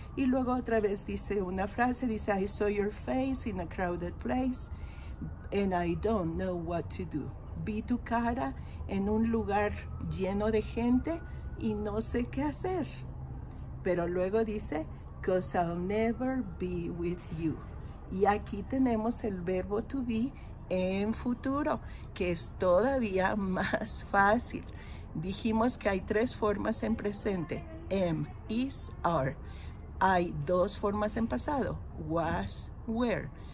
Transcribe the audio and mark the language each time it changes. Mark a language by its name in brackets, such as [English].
[Spanish] Y luego otra vez dice una frase, dice, [English] I saw your face in a crowded place and I don't know what to do. [Spanish] Vi tu cara en un lugar lleno de gente y no sé qué hacer. Pero luego dice, [English] 'cause I'll never be with you. [Spanish] Y aquí tenemos el verbo to be en futuro, que es todavía más fácil. Dijimos que hay tres formas en presente, am, is, are. Hay dos formas en pasado, was, were.